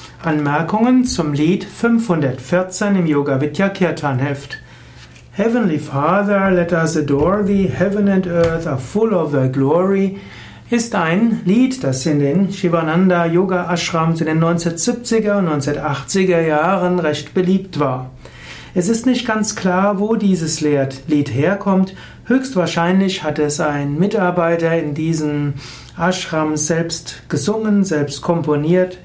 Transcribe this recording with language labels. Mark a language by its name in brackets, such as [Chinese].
[German] Anmerkungen zum Lied 514 im Yoga Vidya Kirtan Heft. [English] Heavenly Father, let us adore thee. Heaven and earth are full of thy glory. [German] Ist ein Lied, das in den Shivananda Yoga Ashram zu den 1970er und 1980er Jahren recht beliebt war. Es ist nicht ganz klar, wo dieses Lied herkommt. Höchstwahrscheinlich hat es ein Mitarbeiter in diesem Ashram selbst gesungen, selbst komponiert.